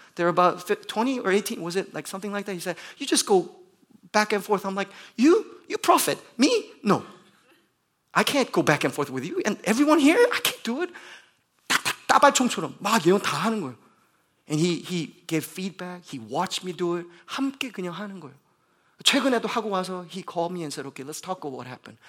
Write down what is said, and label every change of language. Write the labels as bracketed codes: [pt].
[en] They're about 20 or 18, was it like something like that? He said, you just go back and forth. I'm like, you prophet, me? No. I can't go back and forth with you. And everyone here, I can't do it. [ko] 딱딱 따발총처럼 막 예언 다 하는 거예요. [en] And he gave feedback. He watched me do it. [ko] 함께 그냥 하는 거예요. 최근에도 하고 와서 [en] he called me and said, okay, let's talk about what happened.